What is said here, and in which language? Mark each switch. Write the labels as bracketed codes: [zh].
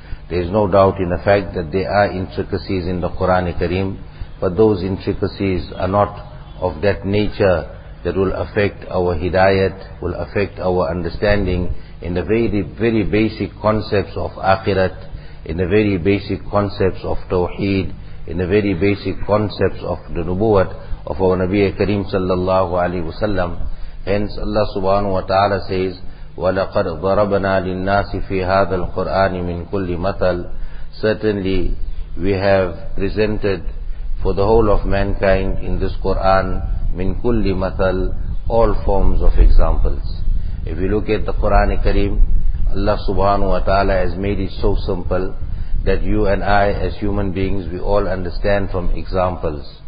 [en] There is no doubt in the fact that there are intricacies in the Qur'an Kareem, but those intricacies are not of that nature that will affect our hidayat, will affect our understanding in the very, very basic concepts of akhirat, in the very basic concepts of Tawheed, in the very basic concepts of the Nubuwwat of our Nabi Kareem sallallahu alayhi wa sallam. Hence Allah subhanahu wa ta'ala says, [ar] وَلَقَدْ ضَرَبْنَا لِلنَّاسِ فِي هَذَا الْقُرْآنِ مِنْ كُلِّ مَثَلٍ. [en] Certainly we have presented for the whole of mankind in this Qur'an, [ar] مِنْ كُلِّ مَثَلٍ, [en] all forms of examples. If you look at the Qur'an Kareem, Allah subhanahu wa ta'ala has made it so simple that you and I as human beings, we all understand from examples.